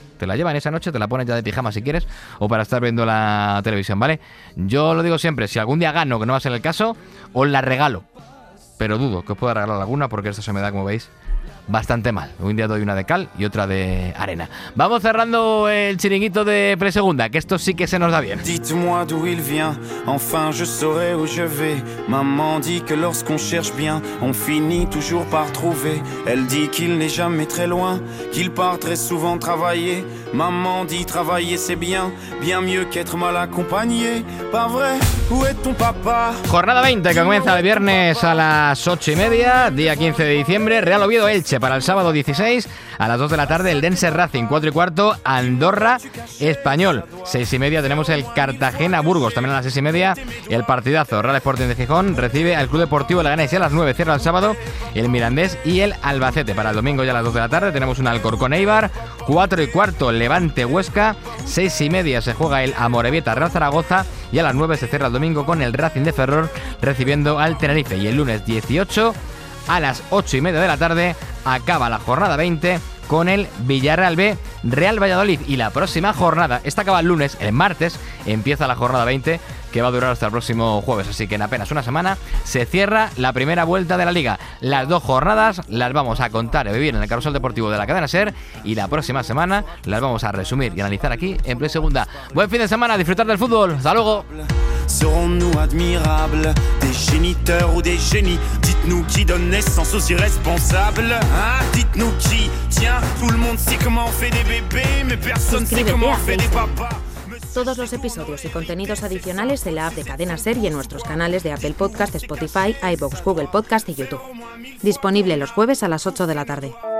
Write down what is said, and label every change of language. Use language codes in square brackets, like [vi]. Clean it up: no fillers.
[es] Te la llevan esa noche, te la pones ya de pijama si quieres o para estar viendo la televisión, ¿vale? Yo lo digo siempre, si algún día gano, que no va a ser el caso, os la regalo. Pero dudo que os pueda regalar alguna porque esto se me da, como veis, bastante mal. Un día doy una de cal y otra de arena. Vamos cerrando el chiringuito de presegunda, que esto sí que se nos da bien. [fr] Dites-moi d'où il vient, enfin je saurai où je vais. Maman dit que lorsqu'on cherche bien, on finit toujours par trouver. Elle dit qu'il n'est jamais très loin, qu'il part très souvent travailler. Maman dit travailler c'est bien, bien mieux qu'être mal accompagné. Pas vrai, où est ton papa? [es] Jornada 20 que comienza el viernes a las 8 y media, día 15 de diciembre, Real Oviedo Elche para el sábado 16 a las 2 de la tarde, el Dense Racing 4 y cuarto, Andorra Español 6 y media, tenemos el Cartagena Burgos también a las 6 y media, el partidazo Real Sporting de Gijón recibe al Club Deportivo Leganés y a las 9 cierra el sábado el Mirandés y el Albacete. Para el domingo ya a las 2 de la tarde tenemos un Alcorcón Eibar, 4 y cuarto Levante Huesca, 6 y media se juega el Amorebieta Real Zaragoza y a las 9 se cierra el domingo con el Racing de Ferrol recibiendo al Tenerife, y el lunes 18 a las 8 y media de la tarde acaba la jornada 20 con el Villarreal B, Real Valladolid. Y la próxima jornada, esta acaba el lunes, el martes empieza la jornada 20, que va a durar hasta el próximo jueves. Así que en apenas una semana se cierra la primera vuelta de la liga. Las dos jornadas las vamos a contar y vivir en el carrusel deportivo de la cadena SER. Y la próxima semana las vamos a resumir y analizar aquí en Play Segunda. Buen fin de semana, disfrutar del fútbol. ¡Hasta luego! [fr] Serons-nous admirables, des géniteurs ou des génies? Dites-nous qui donne naissance aux irresponsables, hein? Dites-nous qui, tiens, tout le monde sait comment on fait des bébés, mais personne sait comment on fait des papas. [es] Todos los episodios y contenidos adicionales en la app de Cadena SER y en nuestros canales de Apple Podcast, Spotify, iVoox, Google Podcast y YouTube. Disponible los jueves a las 8 de la tarde.